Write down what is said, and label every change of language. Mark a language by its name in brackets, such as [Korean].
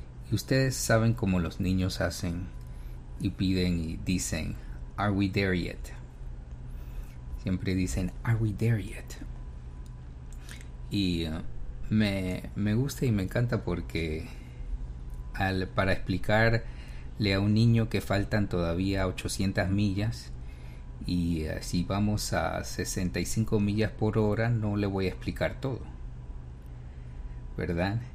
[Spanish] Y ustedes saben cómo los niños hacen y piden y dicen: [English] are we there yet? [Spanish] Siempre dicen: [English] are we there yet? [Spanish] Y me gusta y me encanta, porque para explicarle a un niño que faltan todavía 800 millas y si vamos a 65 millas por hora, no le voy a explicar todo, ¿verdad?